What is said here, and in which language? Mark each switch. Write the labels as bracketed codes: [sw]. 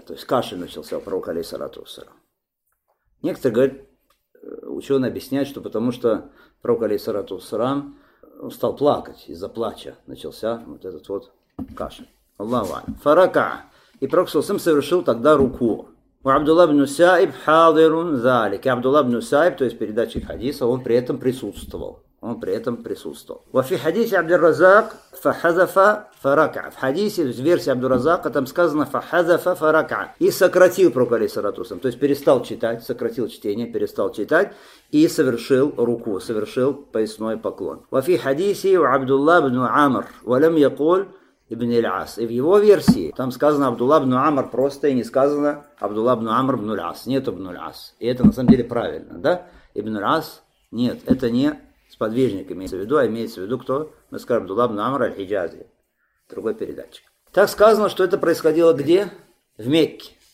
[ru] То есть кашель начался у пророка, алейхиссалату вассалям. Некоторые говорят, ученые объясняют, что потому что пророк, алейхиссалату вассалям, стал плакать из-за плача, начался вот этот вот кашель. Аллаху а'ля. Фарака. И пророк саллаллаху алейхи совершил тогда руку. У Абдулла ибн Саиб [ar] хадирун залик. [ru] И Абдулла ибн Саиб, то есть передатчик хадиса, он при этом присутствовал. Он при этом присутствовал. [ar] وفي حديث عبد الرزاق فحذف فركع. [ru] В хадисе, в версии Абдур-Разака, там сказано [ar] فحذف فركع. [ru] И сократил пророк, алейхиссалату вассалям. То есть перестал читать, сократил чтение, перестал читать и совершил руку, совершил поясной поклон. [ar] وفي حديث عبد الله بن عمر ولم يقول ابن العاص. [ru] И в его версии там сказано Абдулла ибн Амр просто и не сказано Абдулла ибн Амр ибн аль-Ас. Нет ибн аль-Ас. И это на самом деле правильно, да? Ибн аль-Ас нет, это не сподвижник имеется в виду, а имеется в виду кто? Мы скажем, Абдулла ибн Амр аль-Хиджази. Другой передатчик. Так сказано, что это происходило где? В Мекке.